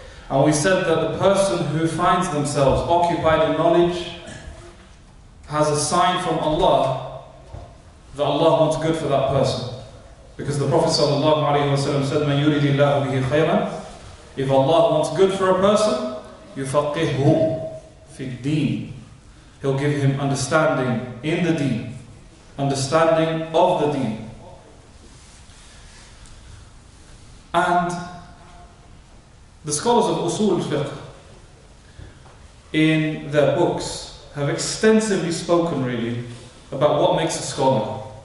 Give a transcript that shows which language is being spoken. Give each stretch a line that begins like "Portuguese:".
English: And we said that the person who finds themselves occupied in knowledge has a sign from Allah that Allah wants good for that person. Because the Prophet said,
Arabic: مَنْ يُرِدِ اللَّهُ بِهِ خَيْرًا.
English: If Allah wants good for a person,
Arabic: يُفَقِّهُ فِي الدِّينِ.
English: He'll give him understanding in the deen, understanding of the deen. And the scholars of Usul Fiqh in their books have extensively spoken really about what makes a scholar.